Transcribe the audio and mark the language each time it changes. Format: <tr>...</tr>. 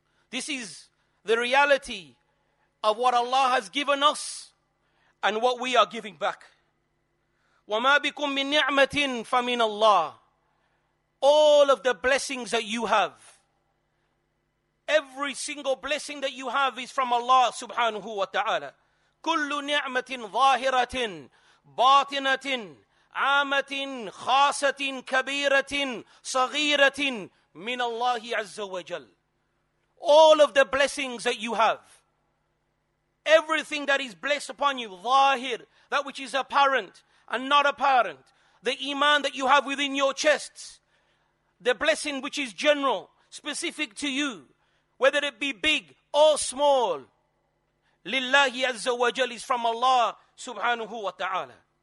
<en>This is the reality of what Allah has given us and what we are giving back.</en> <ar>وَمَا بِكُم مِّن نِعْمَةٍ فَمِنَ اللَّهِ.</ar> <en>All of the blessings that you have, every single blessing that you have is from Allah subhanahu wa ta'ala.</en> <ar>كُلُّ نِعْمَةٍ ظَاهِرَةٍ بَاطِنَةٍ عَامَةٍ خَاسَةٍ كَبِيرَةٍ صَغِيرَةٍ مِّنَ اللَّهِ عَزَّ وَجَلَّ.</ar> <en>All of the blessings that you have, everything that is blessed upon you, ظاهر, that which is apparent and not apparent, the iman that you have within your chests, the blessing which is general, specific to you, whether it be big or small,</en> <ar>لِلَّهِ عَزَّ وَجَلِ</ar> <en>is from Allah subhanahu wa ta'ala.</en>